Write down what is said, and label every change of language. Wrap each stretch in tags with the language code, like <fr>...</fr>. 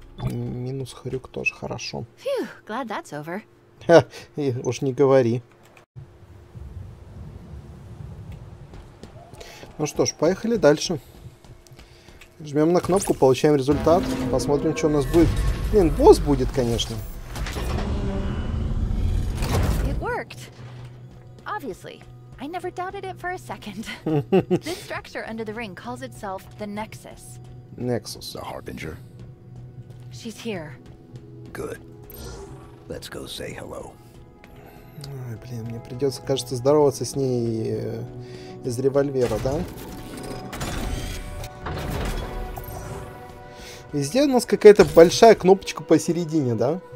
<ru>Минус хрюк тоже хорошо.</ru> <en>Glad that's over.</en> <ru>Уж не говори. Ну что ж, поехали дальше. Жмем на кнопку, получаем результат. Посмотрим, что у нас будет. Блин, босс будет, конечно.</ru> <en>It worked. Obviously. I never doubted it for a second. This structure under the ring calls itself the Nexus. Nexus, the Harbinger. She's here. Good. Let's go say hello.</en> <ru>Ой, блин, мне придется, кажется, здороваться с ней из револьвера, да? Везде у нас какая-то большая кнопочка посередине, да?</ru>